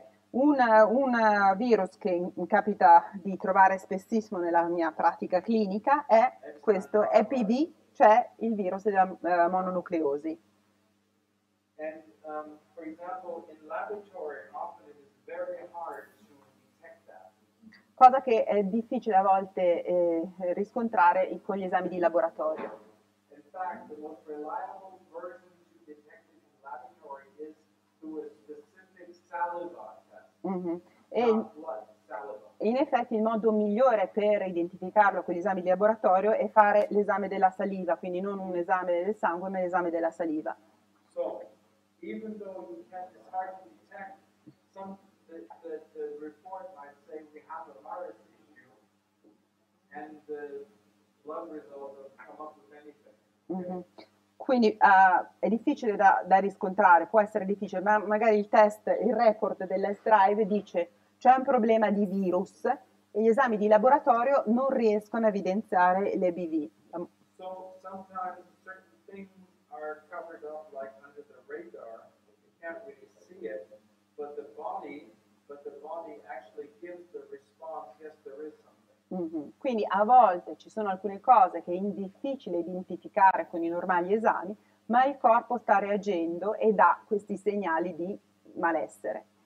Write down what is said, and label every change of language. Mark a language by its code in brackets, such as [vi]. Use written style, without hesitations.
[it] Un virus che capita di trovare spessissimo nella mia pratica clinica è questo Epstein-Barr. EBV, cioè il virus della mononucleosi. [en] And for example, in laboratory, often it is very hard to detect that. [it] Cosa che è difficile a volte riscontrare con gli esami di laboratorio. [en] In fact, the most reliable version to detect it in laboratory is through a specific saliva [it] E [en] test, not blood saliva. [it] in effetti il modo migliore per identificarlo con gli esami di laboratorio è fare l'esame della saliva, quindi non un esame del sangue, ma l'esame della saliva. [en] So, even though you can't start to detect some the report might say we have a virus issue and the blood result will come up with anything. [it] Quindi è difficile da riscontrare, può essere difficile, ma magari il test, il report dell'S-Drive dice c'è un problema di virus e gli esami di laboratorio non riescono a evidenziare l'EBV. [en] So sometimes certain things are covered up like under the radar. You can't really see it, but the body actually gives the response, yes, there is something. [it] Quindi a volte ci sono alcune cose che è difficile identificare con i normali esami, ma il corpo sta reagendo e dà questi segnali di malessere.